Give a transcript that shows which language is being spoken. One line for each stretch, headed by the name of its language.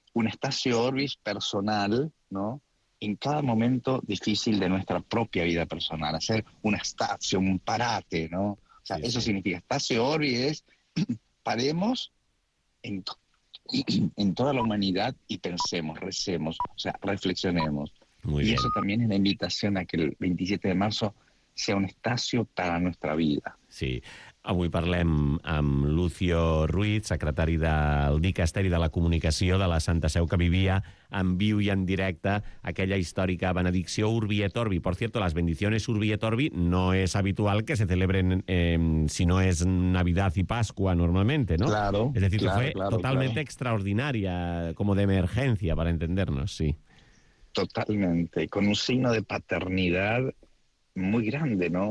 Spanish: un espacio Orbis personal, ¿no? En cada momento difícil de nuestra propia vida personal, hacer un espacio, un parate, ¿no? O sea, sí, eso sí. Significa espacio Orbis es paremos en toda la humanidad y pensemos, recemos, o sea, reflexionemos. Muy y bien. Eso también es la invitación a que el 27 de marzo sea un espacio para la nuestra vida. Sí.
Catalan: Avui parlem amb Lucio Ruiz, secretari del Dicasteri de la Comunicació de la Santa Seu, que vivia en viu i en directe aquella històrica benedicció Urbi et Orbi.
Spanish: Por cierto, las bendiciones Urbi et Orbi no es habitual que se celebren si no es Navidad y Pascua normalmente, ¿no? Claro. Es decir, claro, que fue claro, totalmente claro. Extraordinaria, como de emergencia, para entendernos, sí. Totalmente, con un signo de paternidad muy grande, ¿no?